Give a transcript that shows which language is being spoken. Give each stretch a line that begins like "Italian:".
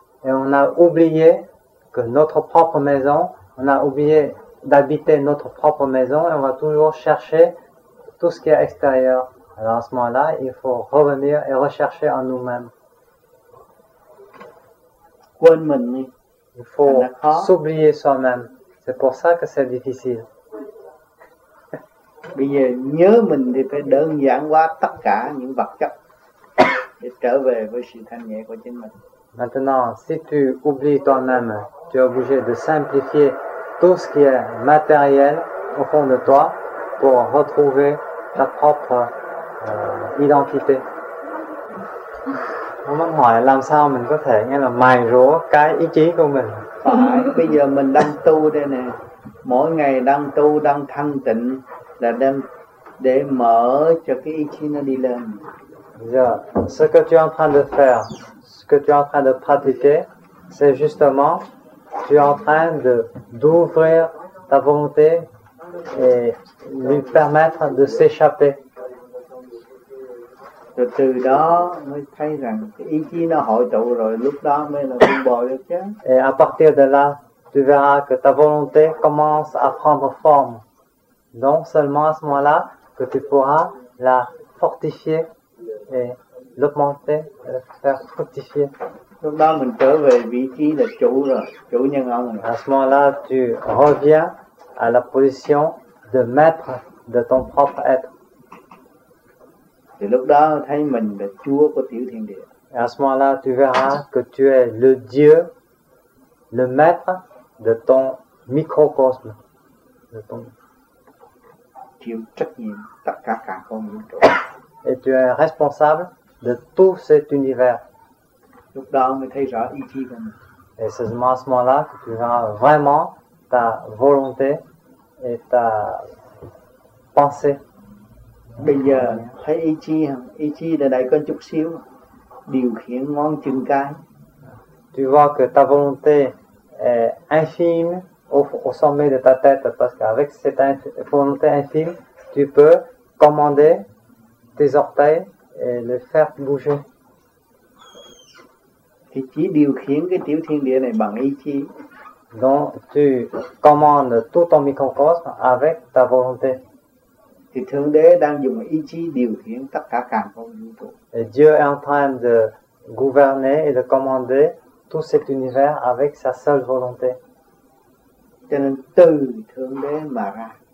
French: Et on a oublié que notre propre maison, on a oublié d'habiter notre propre maison et on va toujours chercher tout ce qui est extérieur. Alors à ce moment-là, il faut revenir et rechercher en nous-mêmes.
Vietnamese: Quên mình đi.
French: Il faut s'oublier soi-même. C'est pour ça que c'est difficile.
Vietnamese: Bây giờ nhớ mình thì phải đơn giản hóa tất cả những vật chất để trở về với sự thanh nhẹ của chính mình.
French: Maintenant, si tu oublies toi-même, tu es obligé de simplifier tout ce qui est matériel au fond de toi pour retrouver ta propre identité.
Vietnamese: Muốn hỏi làm sao mình có thể nghe là mài rũa cái ý chí của mình. Phải, bây giờ mình đang tu đây nè. Mỗi ngày đang tu, đang thanh tịnh là đang để mở cho cái ý chí nó đi lên. Giờ,
French: ce que tu es en train de faire, ce que tu es en train de pratiquer, c'est justement, tu es en train de, d'ouvrir ta volonté et lui permettre de s'échapper.
Vietnamese: Rồi từ đó mới thấy rằng cái ý chí nó hội tụ rồi, lúc đó mới là buông bỏ được chứ.
French: Et à partir de là, tu verras que ta volonté commence à prendre forme. Donc seulement à ce moment-là que tu pourras la fortifier et l'augmenter, la faire fructifier.
Vietnamese: Lúc đó mình trở về vị trí là chủ rồi, chủ nhân ông.
French: À ce moment-là, tu reviens à la position de maître de ton propre être.
Vietnamese: Thì lúc đó thấy mình là chúa của tiểu thiên địa.
French: À ce moment-là, tu verras que tu es le dieu, le maître de ton microcosme, de ton
Vietnamese: chịu trách nhiệm tất cả cả con vũ trụ.
French: Et tu es responsable de tout cet univers.
Vietnamese: Lúc đó mới thấy rõ ý chí của mình.
French: Et c'est à ce moment-là que tu verras vraiment ta volonté et ta pensée.
Vietnamese: Bây giờ thấy ý chí không? Ý chí là đây có chút xíu điều khiển ngón chân cái.
French: Tu vois que ta volonté est infime au sommet de ta tête, parce qu'avec cette volonté infime, tu peux commander tes orteils et les faire bouger.
Vietnamese: Thì chỉ điều khiển cái tiểu thiên địa này bằng ý chí.
French: Donc tu commandes tout ton microcosme avec ta volonté.
Vietnamese: Thì Thượng Đế đang dùng ý chí điều khiển tất cả càn khôn vũ trụ.
French: Et Dieu est en train de gouverner et de commander tout cet univers avec sa seule volonté.
Vietnamese: Cho nên từ Thượng Đế mà ra.